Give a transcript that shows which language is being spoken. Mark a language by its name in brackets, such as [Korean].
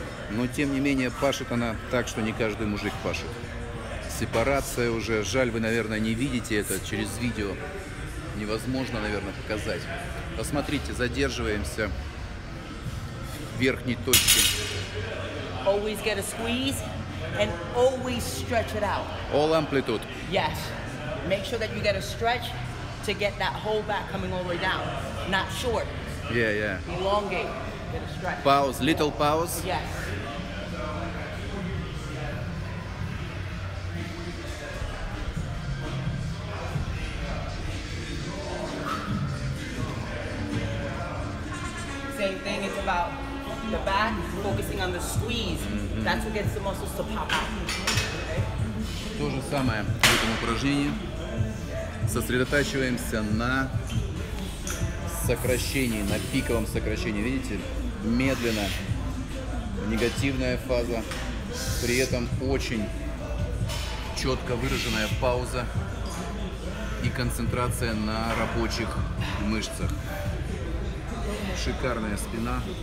[Russian] Но, тем не менее, пашет она так, что не каждый мужик пашет. Сепарация уже. Жаль, вы, наверное, не видите это через видео. Невозможно, наверное, показать. Посмотрите, задерживаемся в верхней точке. [English] Always get a squeeze and always stretch it out. All amplitude. Yes. Make sure that you get a stretch to get that whole back coming all the way down. Not short. Yeah, yeah. Elongate. Get a stretch. Pause. Little pause. Yes. Same thing. It's about the back, focusing on the squeeze. Mm-hmm. That's what gets the muscles to pop out. [Russian] Okay. То же самое в этом упражнении. Сосредотачиваемся на сокращении, на пиковом сокращении. Видите, медленно негативная фаза, при этом очень четко выраженная пауза и концентрация на рабочих мышцах. Шикарная спина.